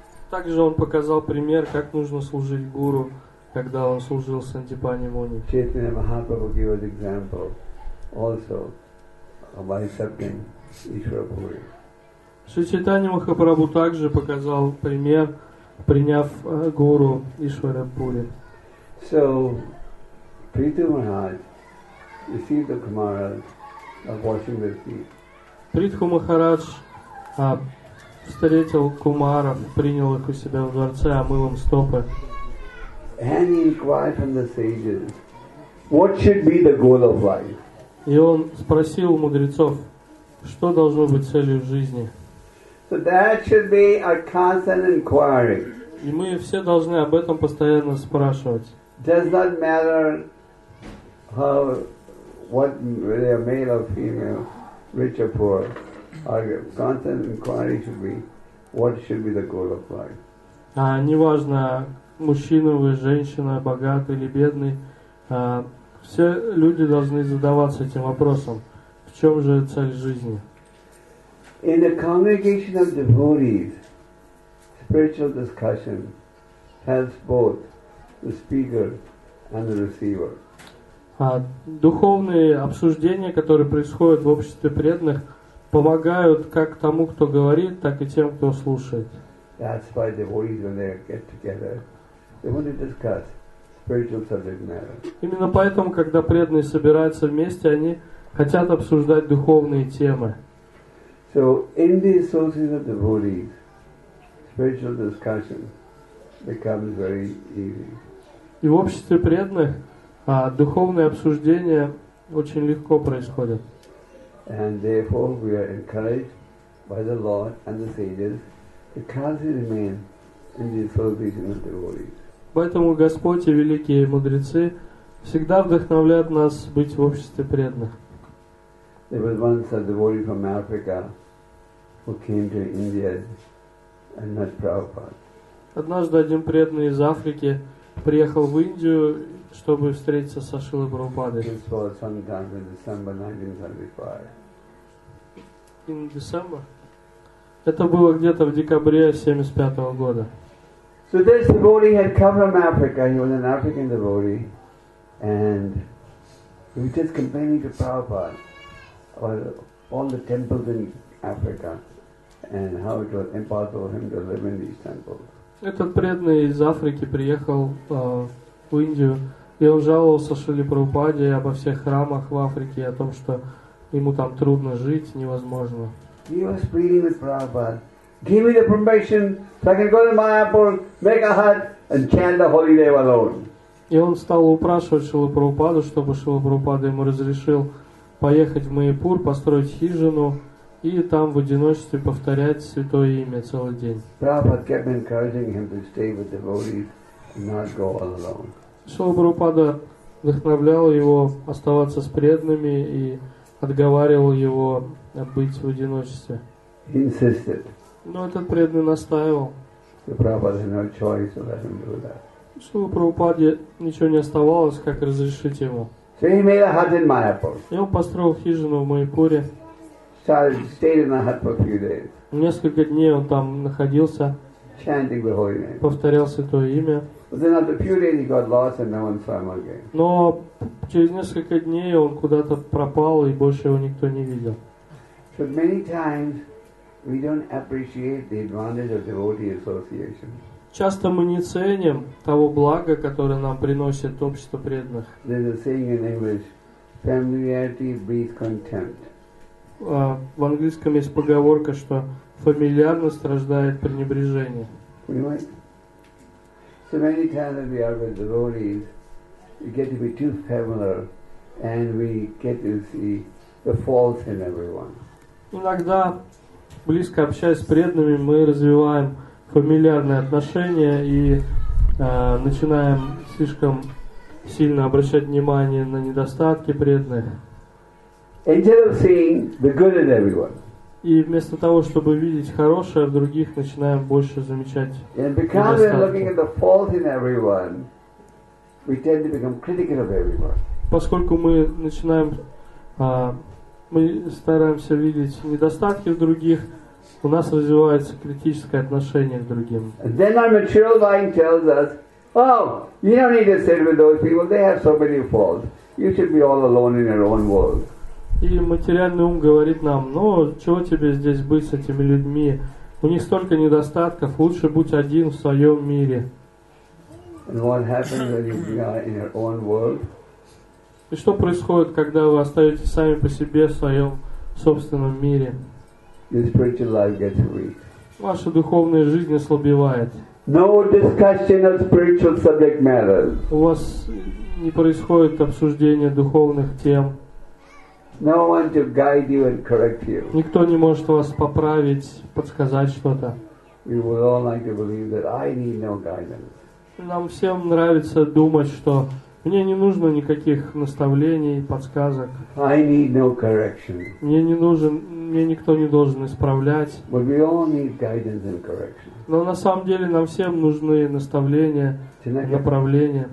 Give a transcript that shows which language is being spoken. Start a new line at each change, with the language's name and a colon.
Russian: Также он показал пример, как нужно служить гуру, когда он служил Сандипани Муни.
English: Чайтанья Махапрабху gave an example also by accepting Ишвара Пури.
Russian: Шри Чайтанья Махапрабху также показал пример, приняв гуру Ишвара Пури.
English: So Prithu Maharaj received the Kumaras of washing their feet.
Russian: Prithu Maharaj встретил Кумаров, принял их у себя в дворце, омыл им стопы.
English: And he inquired from the sages, what should be the goal of life?
Russian: И он спросил у мудрецов, что должно быть целью жизни.
English: So that should be a constant inquiry.
Russian: И мы все должны об этом постоянно спрашивать.
English: Does that matter? How, what, whether male or female, rich or poor, our constant inquiry should be, what should be the goal of life?
Russian: Неважно, мужчина вы, женщина, богатый или бедный, все люди должны задаваться этим вопросом, в чем же цель жизни?
English: In the congregation of devotees, spiritual discussion helps both the speaker and the receiver.
Russian: Духовные обсуждения, которые происходят в обществе преданных, помогают как тому, кто говорит, так и тем, кто слушает.
English: That's why devotees, when they get together, they want to discuss spiritual subject matter.
Russian: Именно поэтому, когда преданные собираются вместе, они хотят обсуждать духовные темы.
English: So in the association of devotees, spiritual discussion becomes very easy.
Russian: И в обществе преданных духовные обсуждения очень легко происходят.
English: And therefore we are encouraged by the Lord and the sages to constantly remain in the association of devotees.
Russian: Поэтому Господь и великие мудрецы всегда вдохновляют нас быть в обществе преданных.
English: There was once a devotee from Africa who came to India and met Prabhupada.
Russian: Однажды один преданный из Африки приехал в Индию, чтобы встретиться со Шрилой Прабхупадой.
English: This was sometime in December 1975. In December?
Russian: Это было где-то в декабре 1975 года.
English: So this devotee had come from Africa. He was an African devotee. And he was just complaining to Prabhupada about all the temples in Africa and how it was impossible for him to live in these temples.
Russian: Этот преданный из Африки приехал в Индию, и он жаловался Шриле Прабхупаде обо всех храмах в Африке, о том, что ему там трудно жить, невозможно.
English: He was pleading with Prabhupada, give me the permission so I can go to Mayapur, make a hut and chant the holy name alone.
Russian: И он стал упрашивать Шрилу Прабхупаду, чтобы Шрила Прабхупада ему разрешил поехать в Майяпур, построить хижину и там в одиночестве повторять святое имя целый день.
English: Prabhupada kept encouraging him to stay with devotees and not go all alone.
Russian: Шрила Прабхупада вдохновлял его оставаться с преданными и отговаривал его быть в одиночестве.
English: He insisted.
Russian: Но этот преданный настаивал.
English: So Prabhupada had no choice to let him do that.
Russian: Шрила Прабхупаде ничего не оставалось, как разрешить ему.
English: So he made a hut in Mayapur.
Russian: И он построил хижину в Майяпуре.
English: Stayed in the hut for a few days.
Russian: Несколько дней он там находился.
English: Chanting the holy name.
Russian: Повторял святое имя.
English: But then after a few days he got lost and no one saw him again.
Russian: Но через несколько дней он куда-то пропал и больше его никто не видел.
English: So many times we don't appreciate the advantage of devotee association.
Russian: Часто мы не ценим того блага, которое нам приносит общество преданных.
English: There's a saying in English: familiarity breeds contempt.
Russian: В английском есть поговорка, что фамильярность рождает пренебрежение.
English: So many times when we are with devotees, we get to be too familiar, and we get to see the faults in everyone.
Russian: Иногда, близко общаясь с преданными, мы развиваем фамильярные отношения и начинаем слишком сильно обращать внимание на недостатки преданных.
English: Instead of seeing the good in everyone.
Russian: И вместо того, чтобы видеть хорошее в других, начинаем больше замечать недостатки.
English: And because we're looking at the fault in everyone, we tend to become critical of everyone.
Russian: Поскольку мы начинаем, мы стараемся видеть недостатки в других, у нас развивается критическое отношение к другим.
English: And then our material mind tells us, oh, you don't need to sit with those people, they have so many faults. You should be all alone in your own world.
Russian: И материальный ум говорит нам, ну, чего тебе здесь быть с этими людьми? У них столько недостатков, лучше будь один в своем мире.
English: And what happens when you are in your own world?
Russian: И что происходит, когда вы остаетесь сами по себе в своем собственном мире?
English: Your spiritual life gets weak.
Russian: Ваша духовная жизнь ослабевает.
English: No discussion of spiritual subject matters.
Russian: У вас не происходит обсуждения духовных тем.
English: No one to guide you and correct you.
Russian: Никто не может вас поправить, подсказать что-то.
English: We would all like to believe that I need no guidance.
Russian: Нам всем нравится думать, что мне не нужно никаких наставлений, подсказок.
English: I need no correction.
Russian: Мне не нужен, мне никто не должен исправлять.
English: But we all need guidance and correction.
Russian: Но на самом деле нам всем нужны наставления, направления.